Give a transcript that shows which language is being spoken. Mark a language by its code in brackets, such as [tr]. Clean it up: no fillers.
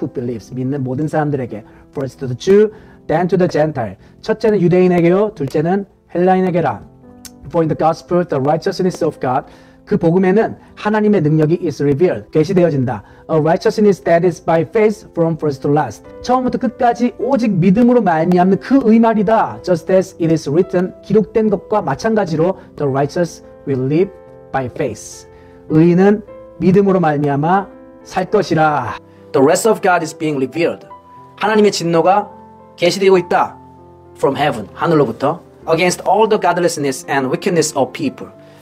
[en] Who believes [ko] 믿는 모든 사람들에게 [en] First to the Jew, then to the Gentile [ko] 첫째는 유대인에게요 둘째는 헬라인에게라 [en] For in the gospel, the righteousness of God [ko] 그 복음에는 하나님의 능력이 [en] is revealed, [ko] 계시되어진다. [en] A righteousness that is by faith from first to last. [ko] 처음부터 끝까지 오직 믿음으로 말미암는 그 의말이다. [en] Just as it is written, [ko] 기록된 것과 마찬가지로 [en] the righteous will live by faith. [ko] 의인은 믿음으로 말미암아 살 것이라. [en] The wrath of God is being revealed. [ko] 하나님의 진노가 계시되고 있다. [en] From heaven, [ko] 하늘로부터. [en] Against all the godlessness and wickedness of people.